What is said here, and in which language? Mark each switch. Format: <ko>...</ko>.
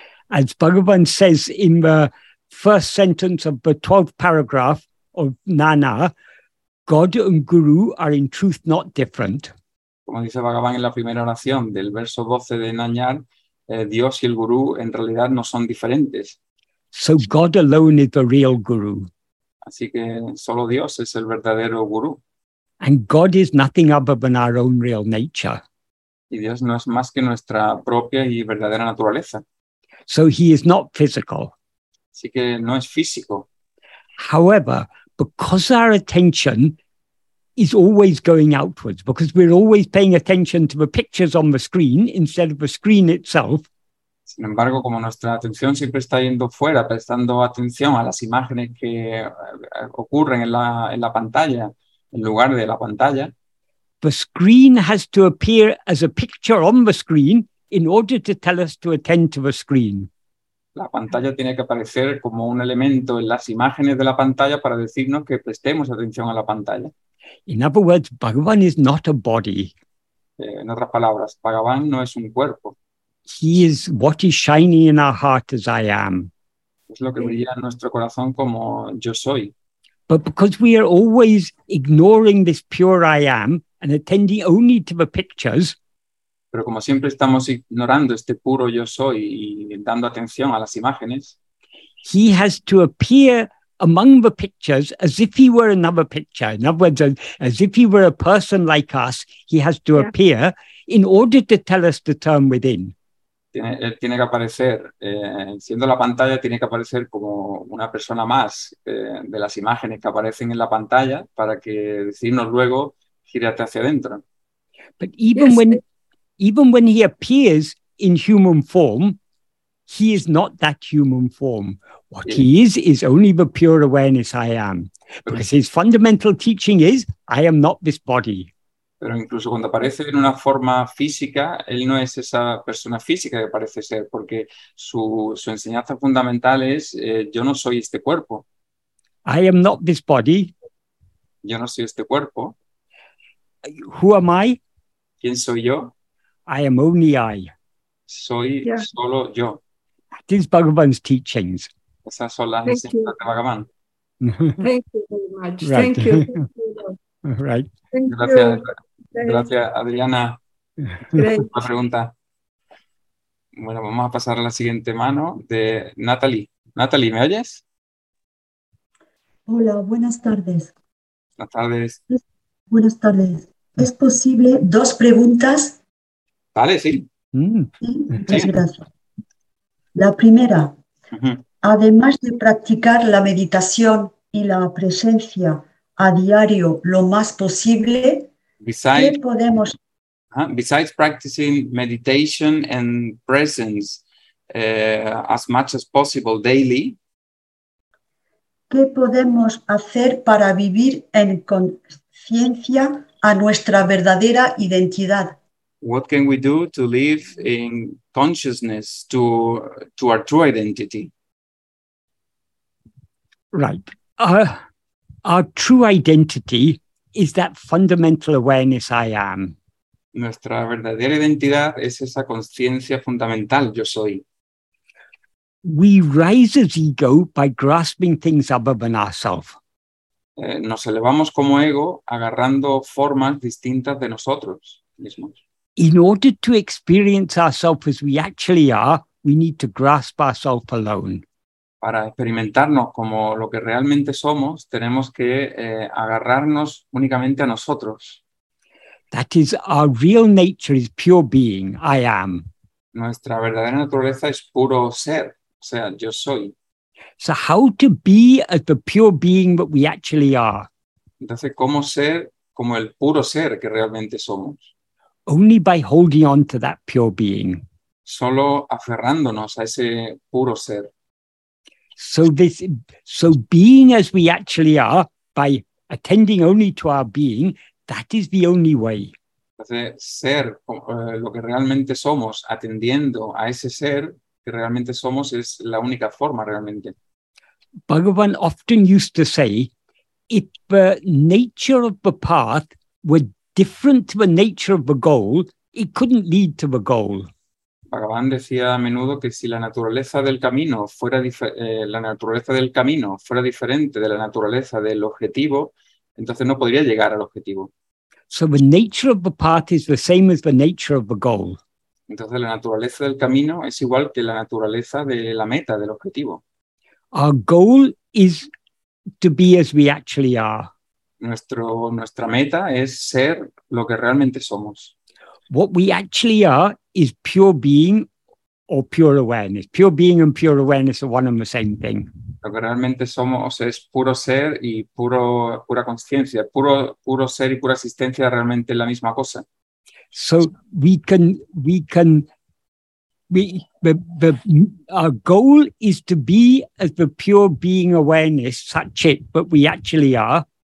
<en>As Bhagavan says in the first sentence of the 12th paragraph of Nana, God and Guru are in truth not different.</en> <es>Como dice Bhagavan en la primera oración del verso 12 de Nanyar, Dios y el Guru en realidad no son diferentes.</es> <en>So God alone is the real Guru.</en> <es>Así que solo Dios es el verdadero Guru.</es> <en>And God is nothing other than our own real nature.</en> <es>Y Dios no es más que nuestra propia y verdadera naturaleza.</es> <en>So he is not physical.</en> <es>Así que no es físico.</es> <en>However, because our attention is always going outwards, because we're always paying attention to the pictures on the screen instead of the screen itself.</en> <es>Sin embargo, como nuestra atención siempre está yendo fuera, prestando atención a las imágenes que ocurren en la pantalla, en lugar de la pantalla.</es> <en>The screen has to appear as a picture on the screen in order to tell us to attend to the screen.</en> <es>La pantalla tiene que aparecer como un elemento en las imágenes de la pantalla para decirnos que prestemos atención a la pantalla.</es> <en>In other words, Bhagavan is not a body.</en> <es>En otras palabras, Bhagavan no es un cuerpo.</es> <en>He is what is shining in our heart as I am.</en> <es>Es lo que brilla en nuestro corazón como yo soy.</es> <en>But because we are always ignoring this pure I am and attending only to the pictures,</en> <es>pero como siempre estamos ignorando este puro yo soy y dando atención a las imágenes,</es> <en>he has to appear among the pictures as if he were another picture. In other words, as if he were a person like us, he has to appear in order to tell us to turn within.</en> <es>Tiene que aparecer, siendo la pantalla, tiene que aparecer como una persona más de las imágenes que aparecen en la pantalla para que decirnos luego, gírate hacia adentro.</es> <en>But even when he appears in human form, he is not that human form. What he is only the pure awareness I am. Because his fundamental teaching is, I am not this body.</en> <es>Pero incluso cuando aparece en una forma física, él no es esa persona física que parece ser, porque su enseñanza fundamental es, yo no soy este cuerpo.</es> <en>I am not this body.</en> <es>Yo no soy este cuerpo.</es> <en>Who am I?</en> <es>¿Quién soy yo?</es> <en>I am only I.</en> <es>Soy solo yo.</es> <en>That is Bhagavan's teachings.</en> <es>Esas son las enseñanzas de Bhagavan.</es> <en>Thank you very much. Right. Thank you. Right.</en> <es>Gracias, Adriana. Gracias por la pregunta. Bueno, vamos a pasar a la siguiente mano de Natalie. Natalie, ¿me oyes? Hola, buenas tardes. Buenas tardes. Buenas tardes. ¿Es posible dos preguntas? Vale, sí. Muchas gracias. La primera, además de practicar la meditación y la presencia a diario lo más posible,</es> <en>besides practicing meditation and presence as much as possible daily,</en> <es>¿qué podemos hacer para vivir en conciencia a nuestra verdadera identidad?</es> <en>What can we do to live in consciousness to our true identity? Right. Our true identity is that fundamental awareness I am.</en> <es>Nuestra verdadera identidad es esa conciencia fundamental, yo soy.</es> <en>We rise as ego by grasping things other than ourselves.</en> <es>Nos elevamos como ego agarrando formas distintas de nosotros mismos.</es> <en>In order to experience ourselves as we actually are, we need to grasp ourselves alone.</en> <es>Para experimentarnos como lo que realmente somos, tenemos que agarrarnos únicamente a nosotros.</es> <en>That is, our real nature is pure being, I am.</en> <es>Nuestra verdadera naturaleza es puro ser, o sea, yo soy.</es> <en>So how to be as the pure being that we actually are?</en> <es>Entonces, ¿cómo ser como el puro ser que realmente somos?</es> <en>Only by holding on to that pure being.</en> <es>Solo aferrándonos a ese puro ser.</es> <en>So being as we actually are, by attending only to our being, that is the only way.</en> <es>Entonces, ser lo que realmente somos, atendiendo a ese ser que realmente somos, es la única forma realmente.</es> <en>Bhagavan often used to say, if the nature of the path were different to the nature of the goal, it couldn't lead to the goal.</en> <es>Bhagavan decía a menudo que si la naturaleza del camino fuera diferente de la naturaleza del objetivo, entonces no podría llegar al objetivo.</es> <en>So the nature of the path is the same as the nature of the goal.</en> <es>Entonces la naturaleza del camino es igual que la naturaleza de la meta, del objetivo.</es> <en>Our goal is to be as we actually are.</en> <es>Nuestra meta es ser lo que realmente somos.</es> <en>What we actually are is pure being or pure awareness. Pure being and pure awareness are one and the same thing.</en> <es>Lo que realmente somos es puro ser y pura consciencia. Puro ser y pura existencia realmente es la misma cosa.</es> <en>So our goal is to be as the pure being awareness, such it, but we actually are.</en>